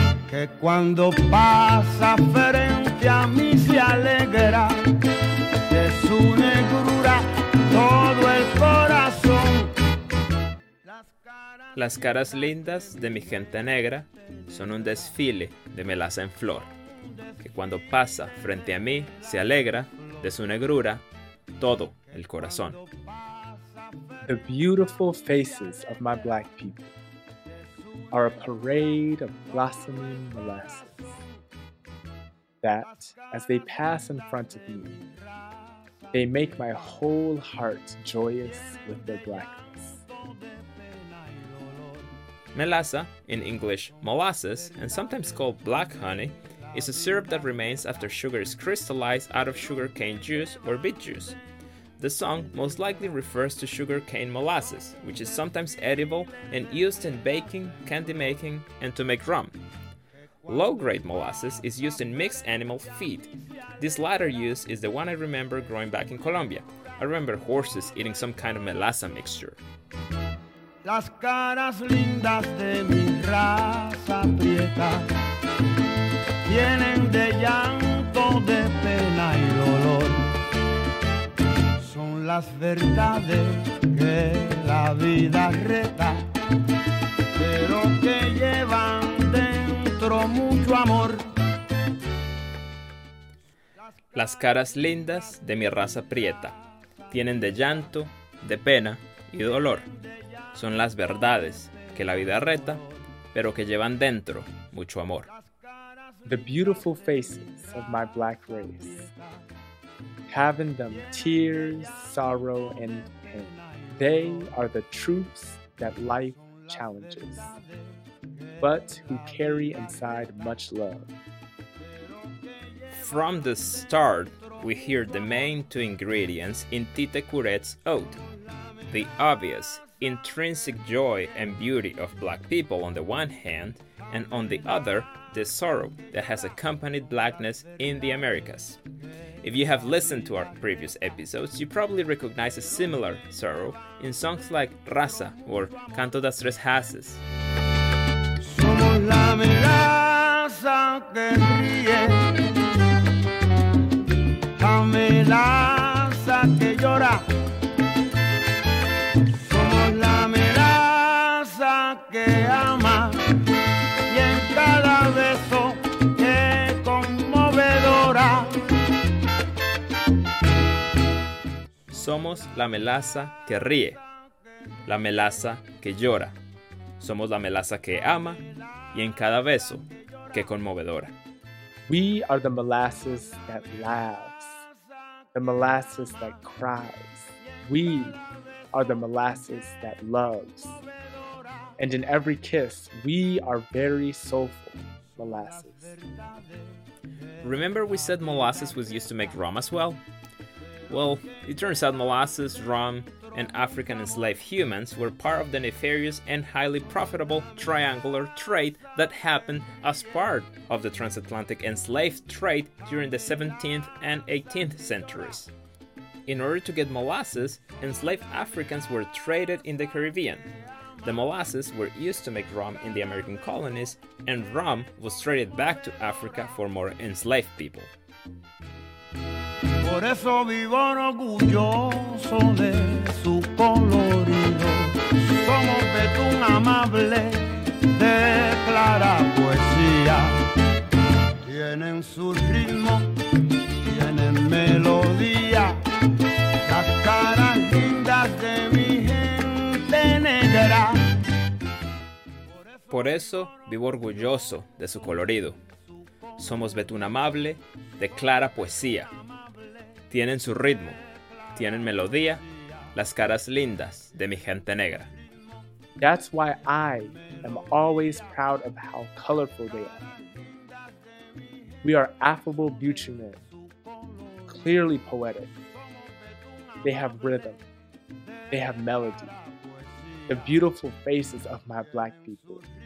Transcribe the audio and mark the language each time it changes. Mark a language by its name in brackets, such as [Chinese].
[Spanish] Que cuando pasa frente a mí se alegra de su negrura todo el corazón. Las caras lindas de mi gente negra son un desfile de melaza en flor. Que cuando pasa frente a mí se alegra de su negrura todo el corazón. [English] The beautiful faces of my black people are a parade of blossoming molasses that, as they pass in front of me, they make my whole heart joyous with their blackness. Melaza, in English molasses, and sometimes called black honey, is a syrup that remains after sugar is crystallized out of sugarcane juice or beet juice. The song most likely refers to sugarcane molasses, which is sometimes edible and used in baking, candy making, and to make rum. Low-grade molasses is used in mixed animal feed. This latter use is the one I remember growing back in Colombia. I remember horses eating some kind of melaza mixture. [Spanish] Las caras lindas de mi raza prieta tienen de llanto de pena y dolor. Las verdades que la vida reta, pero que llevan dentro mucho amor. Las caras lindas de mi raza prieta tienen de llanto, de pena y dolor. Son las verdades que la vida reta, pero que llevan dentro mucho amor. [English] The beautiful faces of my black race have in them tears, sorrow, and pain. They are the truths that life challenges, but who carry inside much love. From the start, we hear the main two ingredients in Tite Curet's ode. The obvious, intrinsic joy and beauty of black people on the one hand, and on the other, the sorrow that has accompanied blackness in the Americas. If you have listened to our previous episodes, you probably recognize a similar sorrow in songs like Raza or Canto das Tres Haces. [Spanish] Somos la melaza que ríe, la melaza que llora. Somos la melaza que ama y en cada beso es conmovedora. Somos la melaza que ríe, la melaza que llora. Somos la melaza que ama y en cada beso que conmovedora. [English] We are the molasses that laughs, the molasses that cries. We are the molasses that loves. And in every kiss, we are very soulful molasses. Remember we said molasses was used to make rum as well? Well, it turns out molasses, rum, and African enslaved humans were part of the nefarious and highly profitable triangular trade that happened as part of the transatlantic enslaved trade during the 17th and 18th centuries. In order to get molasses, enslaved Africans were traded in the Caribbean. The molasses were used to make rum in the American colonies, and rum was traded back to Africa for more enslaved people. [Spanish] Por eso vivan orgulloso de su colorido, somos de tu amable de clara poesía. Tienen su ritmo, tienen melodía, las caras lindas de mi gente negra. Por eso vivo orgulloso de su colorido. Somos Betún Amable, de clara poesía. Tienen su ritmo, tienen melodía, las caras lindas de mi gente negra. [English] That's why I am always proud of how colorful they are. We are affable Bechuanas, clearly poetic. They have rhythm, they have melody, the beautiful faces of my black people.